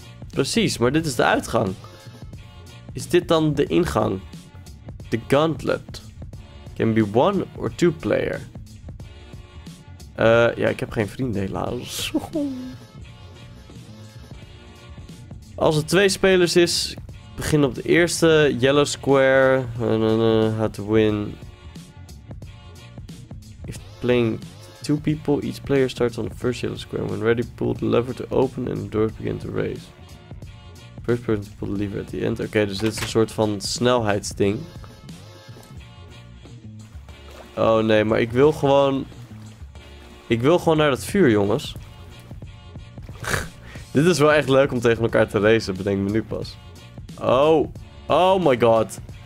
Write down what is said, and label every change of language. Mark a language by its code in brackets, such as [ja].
[nl] Precies, maar dit is de uitgang. Is dit dan de ingang? The gauntlet. [en] Can be one or two player. [nl] Ja, ik heb geen vrienden helaas. Als het twee spelers is, begin op de eerste. [en] Yellow square. How to win. If playing two people, each player starts on the first yellow square. When ready, pull the lever to open and the doors begin to raise. First person to pull the lever at the end. [nl] Oké, dus dit is een soort van snelheidsding. Oh nee, maar ik wil gewoon... Ik wil gewoon naar dat vuur, jongens. Dit is wel echt leuk om tegen elkaar te racen, bedenk me nu pas. Oh, [en] oh my god.